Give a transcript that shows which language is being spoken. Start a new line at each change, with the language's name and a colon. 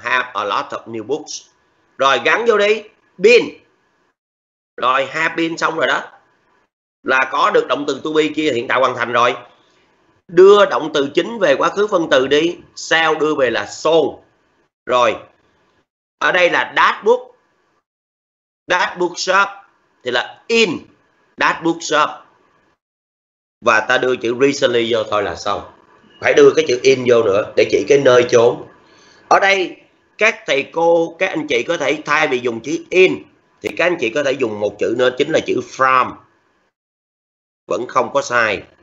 English: Have a lot of new books.
Vietnamese: Rồi gắn vô đi.
English: Been.
Vietnamese: Rồi
English: have been
Vietnamese: xong rồi đó. Là có được động từ to be kia hiện tại hoàn thành rồi. Đưa động từ chính về quá khứ phân từ đi, sao đưa về là sold. Rồi. Ở đây là that book.
English: That book shop
Vietnamese: thì là
English: in that book shop.
Vietnamese: Và ta đưa chữ recently vô thôi là xong. Phải đưa cái chữ in vô nữa để chỉ cái nơi chốn. Ở đây các thầy cô, các anh chị có thể thay vì dùng chữ in thì các anh chị có thể dùng một chữ nữa, chính là chữ from. Vẫn không có sai.